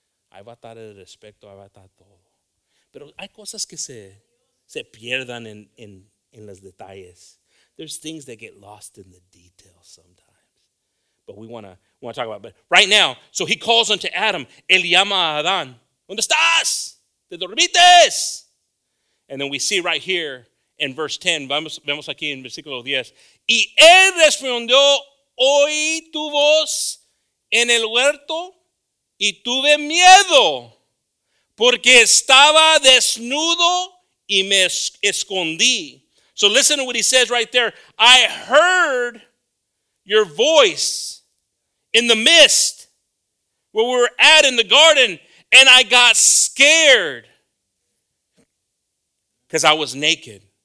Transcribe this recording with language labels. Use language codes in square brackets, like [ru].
[es] Ahí va a estar el respeto, ahí va a estar todo. Pero hay cosas que se pierdan en los detalles. [en] There's things that get lost in the details sometimes. But we want to talk about it. But right now, so he calls unto Adam. [es] Él llama a Adán. ¿Dónde estás? ¿Te dormites? [en] And then we see right here in verse 10. [es] Vemos aquí en versículo 10. Y él respondió, oí tu voz en el huerto. Y tuve miedo porque estaba desnudo y me escondí. [en] So listen to what he says right there. I heard your voice in the mist where we were at in the garden, and I got scared because I was naked.